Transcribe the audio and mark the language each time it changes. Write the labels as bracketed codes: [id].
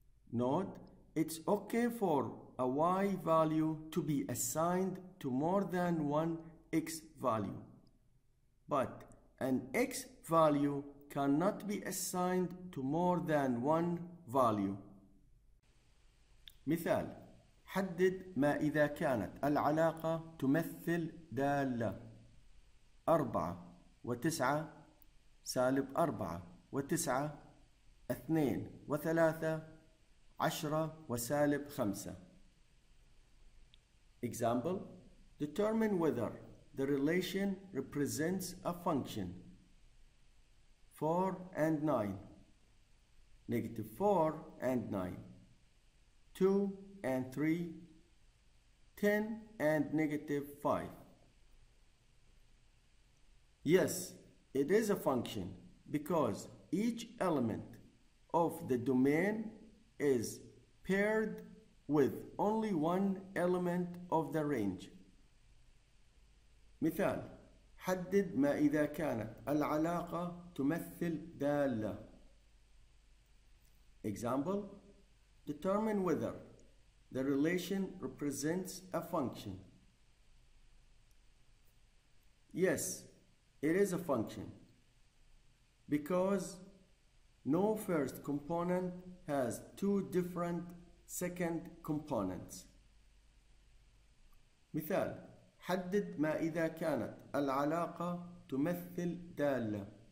[en] Note, it's okay for a y value to be assigned to more than one x value. But an x value cannot be assigned to more than one value. [ar] مثال: حدد ما إذا كانت العلاقة تمثل دالة 4 و 9 سالب 4 و 9 2 و 3 10 و سالب 5. [en] Example: Determine whether the relation represents a function 4 and 9, negative 4 and 9, 2 and 3, 10 and negative 5. Yes, it is a function because each element of the domain is paired with only one element of the range. [ar] مثال: حدد ما إذا كانت العلاقة تمثل دالة. [en] Example: Determine whether the relation represents a function Yes, it is a function, because no first component has two different second components. [ar] مثال: حدد ما إذا كانت العلاقة تمثل دالة.